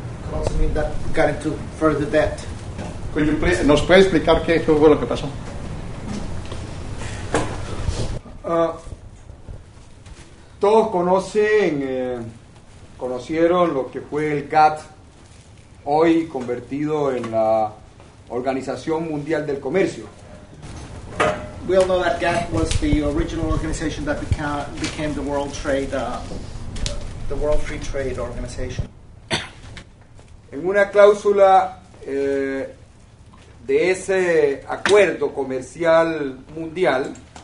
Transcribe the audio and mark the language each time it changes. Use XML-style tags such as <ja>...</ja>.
<en>Could also mean that we got into further debt.</en> <es>¿Nos puede explicar qué fue lo que pasó? Todos conocen, conocieron lo que fue el GATT, hoy convertido en la Organización Mundial del Comercio.</es> <en>We all know that GATT was the original organization that became the World Trade, the World Free Trade Organization.</en> <es>En una cláusula de ese acuerdo comercial mundial,</es>